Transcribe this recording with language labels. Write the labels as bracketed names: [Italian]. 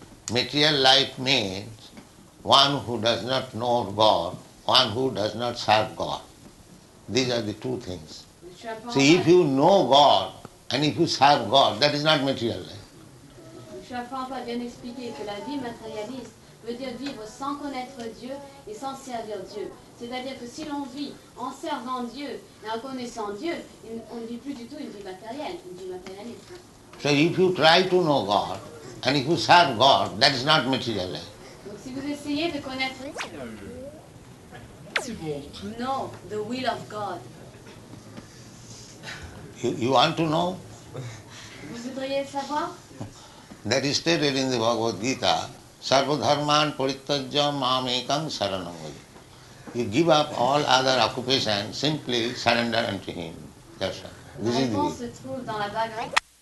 [English] material life means one who does not know God. One who does not serve God. These are the two things. See, if you know God and if you serve God, that is not material life. [French] Srila Prabhupada vient expliquer que la vie matérialiste veut dire vivre sans connaître Dieu et sans servir Dieu. C'est-à-dire que si l'on vit en servant Dieu et en connaissant Dieu, on ne vit plus du tout une vie matérielle, une vie matérialiste. [English] So if you try to know God and if you serve God, that is not material life. [French] Donc si vous essayez de connaître Dieu, [English] know the will of God. You want to know? [French] Vous voudriez savoir? [English] That is stated in the Bhagavad Gita, [Sanskrit] Sarvadharman Parityajya Mamekam Saranam Bhaja. [English] You give up all other occupations, simply surrender unto Him. That's right. [French] La réponse se trouve dans la Bhagavad Gita.